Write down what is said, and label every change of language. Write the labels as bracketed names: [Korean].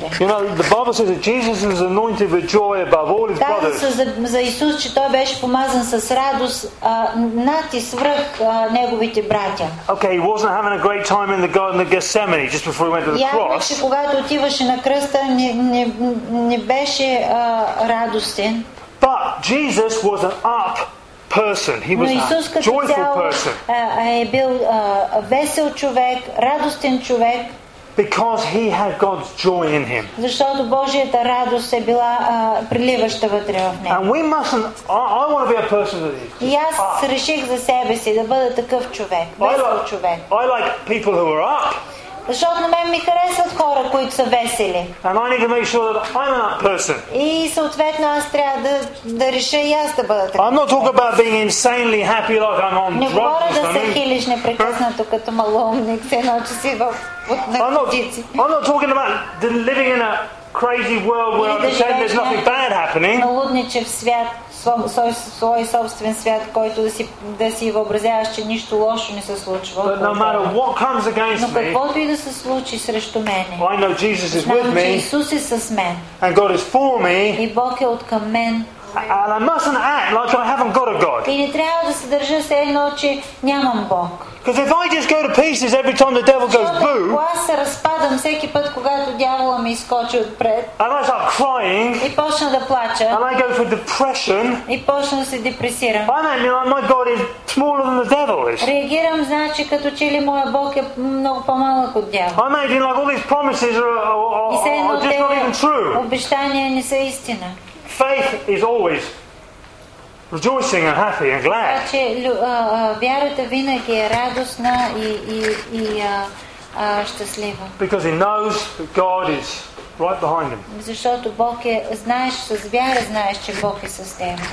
[English] You know, the Bible says that Jesus is anointed with joy above all his brothers. [Bulgarian] Казва за Исус, че той беше помазан с радост над и свръх неговите братя. [English] Okay, he wasn't having a great time in the Garden of Gethsemane just before he went to the cross. [Bulgarian] Явно, че когато отиваше на кръста, не беше радостен. [English] But Jesus was an up person. He was a joyful person. [Bulgarian] Е бил весел човек, радостен човек. [English] Because he had God's joy in him. [Bulgarian] Защото Божията радост е била приливаща вътре в него. [English] And we mustn't. I want to be a person that is. [Bulgarian] И аз реших за себе си да бъда такъв човек, весел човек. [English] I like people who are up. [Bulgarian] Защото на мен ми харесват хора, които са весели. [English] And I need to make sure that I'm an up person. [Bulgarian] И съответно аз трябва да реша и аз да бъда такъв. [English] I'm not talking about being insanely happy like I'm on drugs. [Bulgarian] Не говоря да се хилиш непрекъснато като малоумник, се научи си в. [English] I'm not talking about living in a crazy world where I pretend there's nothing bad happening. [Bulgarian] На лудничев свят, свой собствен свят, който да си въобразяваш, че нищо лошо не се случва. [English] But no matter what comes against me. [Bulgarian] Но каквото и да се случи срещу мене. [English] I know Jesus is with me. [Bulgarian] Исус е с мен. [English] And God is for me. [Bulgarian] И Бог е откъм мен. [English] And I mustn't act like I haven't got a God. [Bulgarian] И не трябва да се държа все едно, че нямам Бог. [English] Because if I just go to pieces every time the devil goes boo. [Bulgarian] Защото аз се разпадам всеки път, когато дявола ми изскочи отпред. [English] And I start crying. [Bulgarian] И почна да плача. [English] And I go for depression. [Bulgarian] И почна да се депресирам. [English] I mean, my God is smaller than the devil is. [Bulgarian] Реагирам, значи, като че ли моя Бог е много по-малък от дявола. [English] I mean, like all these promises are just not even true. [Bulgarian] Обещания не са истина. [English] Faith is always rejoicing and happy and glad. [Bulgarian] Значи вярата винаги е радостна и щастлива. [English] Because he knows that God is right behind him. [Bulgarian] Защото Бог е, знаеш, с вяра знаеш, че Бог е с теб.